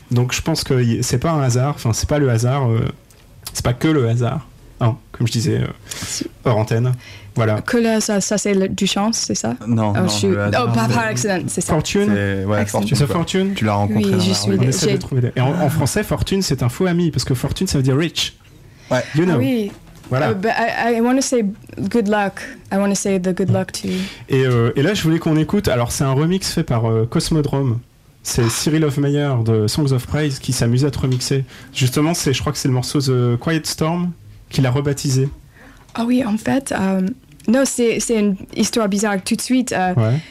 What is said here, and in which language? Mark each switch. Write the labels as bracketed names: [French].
[French] Donc, je pense que c'est pas un hasard. Enfin, c'est pas le hasard. C'est pas que le hasard, non, comme je disais hors antenne. Voilà. Que le hasard, ça c'est du chance, c'est ça? Par accident, c'est ça. Fortune, c'est fortune. Tu l'as rencontré. Oui, j'essaie de trouver. Et en français, fortune, c'est un faux ami, parce que fortune, ça veut dire rich. Ouais. [English] You know. [French] Ah oui, Voilà. [English] But I want to say good luck. I want to say the good luck to you. [French] Et là, je voulais qu'on écoute. Alors, c'est un remix fait par Cosmodrome. C'est Cyril Hofmeyer de Songs of Praise qui s'amuse à te remixer. Justement, c'est, je crois que c'est le morceau The Quiet Storm qu'il a rebaptisé. Ah oui, en fait, non, c'est une histoire bizarre tout de suite. Ouais.